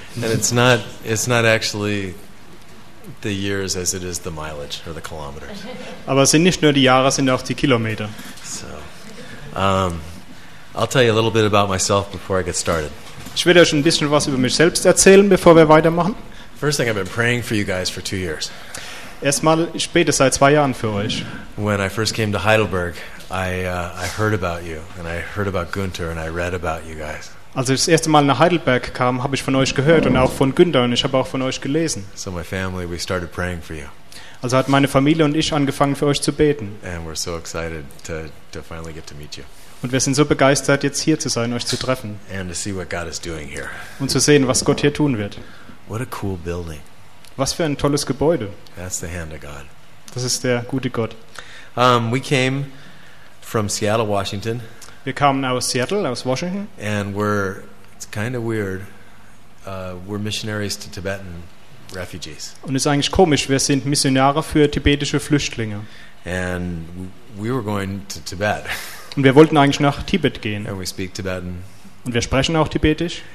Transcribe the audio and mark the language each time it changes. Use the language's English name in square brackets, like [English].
[English] And it's not actually the years as it is the mileage or the kilometers. [German] Aber es sind nicht nur die Jahre, es sind auch die Kilometer. [English] So, I'll tell you a little bit about myself before I get started. [German] Ich werde euch ein bisschen was über mich selbst erzählen, bevor wir weitermachen. [English] First thing, I've been praying for you guys for 2 years. [German] Erstmal, ich bete seit 2 Jahren für euch. [English] When I first came to Heidelberg, I heard about you and I heard about Gunther and I read about you guys. [German] Als ich das erste Mal nach Heidelberg kam, habe ich von euch gehört und auch von Günther und ich habe auch von euch gelesen. [English] So my family, we started praying for you. [German] Also hat meine Familie und ich angefangen für euch zu beten. [English] And we're so excited to finally get to meet you. [German] Und wir sind so begeistert, jetzt hier zu sein, euch zu treffen. [English] And to see what God is doing here. [German] Und zu sehen, was Gott hier tun wird. [English] What a cool building. [German] Was für ein tolles Gebäude. [English] That's the hand of God. [German] Das ist der gute Gott. [English] We came from Seattle, Washington. [German] Wir kamen aus Seattle, aus Washington. [English] And it's kind of weird. We're missionaries to Tibetan refugees. [German] Und es ist eigentlich komisch, wir sind Missionare für tibetische Flüchtlinge. [English] And we were going to Tibet. [German] Und wir wollten eigentlich nach Tibet gehen. [English] And we speak Tibetan. [German] Und wir sprechen auch Tibetisch.